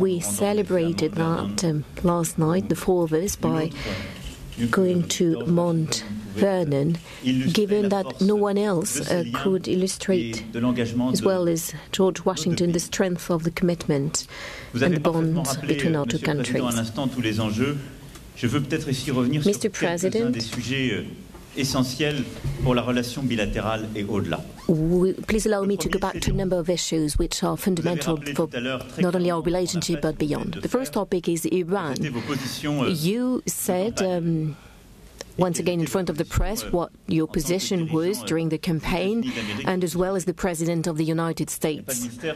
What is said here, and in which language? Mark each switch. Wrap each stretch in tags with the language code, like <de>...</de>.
<en>we celebrated that last night, the four of us, by going to Mont Vernon, given that no one else could illustrate as well as George Washington the strength of the commitment</en> <fr>Vous</fr> <en>and the bond between our two countries.</en> <fr>Un instant, tous les enjeux Je veux peut-être ici revenir sur quelques-uns des sujets essentiels pour la relation bilatérale et au-delà.</fr> <en>Please allow me to go back to a number of issues which are fundamental for not only our relationship but beyond. The first topic is Iran. You said once again in front of the press what your position was during the campaign and as well as the President of the United States.</en>